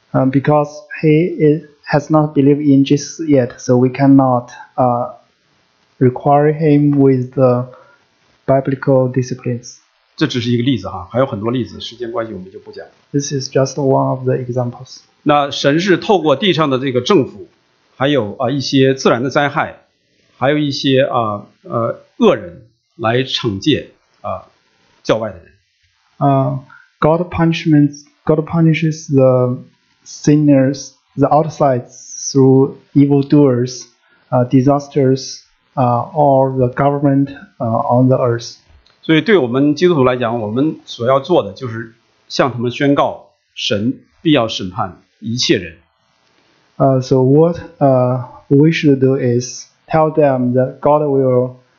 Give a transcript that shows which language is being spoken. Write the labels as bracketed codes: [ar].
[en] Because he has not believed in Jesus yet, so we cannot require him with the biblical disciplines. [zh] 这只是一个例子还有很多例子，时间关系我们就不讲。 [en] This is just one of the examples. [zh] 那神是透过地上的这个政府，还有一些自然的灾害，还有一些恶人来惩戒教外的人。 [en] God punishes the sinners, the outsides through evildoers, disasters, or the government on the earth. [zh] 所以对我们基督徒来讲，我们所要做的就是向他们宣告神必要审判。一切人。 [en] So what we should do is tell them that God will